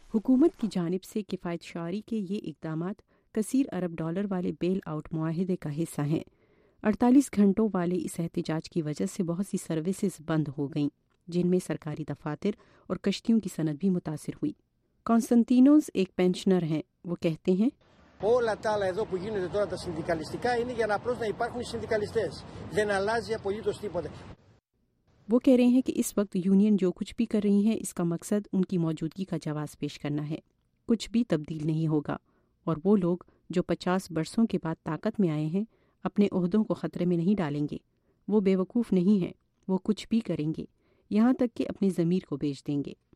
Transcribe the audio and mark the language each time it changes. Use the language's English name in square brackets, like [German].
[Urdu] حکومت کی جانب سے کفایت شعاری کے یہ اقدامات کثیر ارب ڈالر والے بیل آؤٹ معاہدے کا حصہ ہیں. 48 گھنٹوں والے اس احتجاج کی وجہ سے بہت سی سروسز بند ہو گئیں, جن میں سرکاری دفاتر اور کشتیوں کی صنعت بھی متاثر ہوئی. کانسٹنٹینوس ایک پینشنر ہیں, وہ کہتے ہیں [Greek] Όλα τα άλλα εδώ που γίνονται τώρα τα συνδικαλιστικά είναι για να απλώς να υπάρχουν οι συνδικαλιστές. Δεν αλλάζει απολύτως τίποτα. [Urdu] وہ کہہ رہے ہیں کہ اس وقت یونین جو کچھ بھی کر رہی ہے اس کا مقصد ان کی موجودگی کا جواز پیش کرنا ہے. کچھ بھی تبدیل نہیں ہوگا, اور وہ لوگ جو 50 برسوں کے بعد طاقت میں آئے ہیں اپنے عہدوں کو خطرے میں نہیں ڈالیں گے. وہ بے وقوف نہیں ہیں, وہ کچھ بھی کریں گے, یہاں تک کہ اپنے ضمیر کو بیچ دیں گے.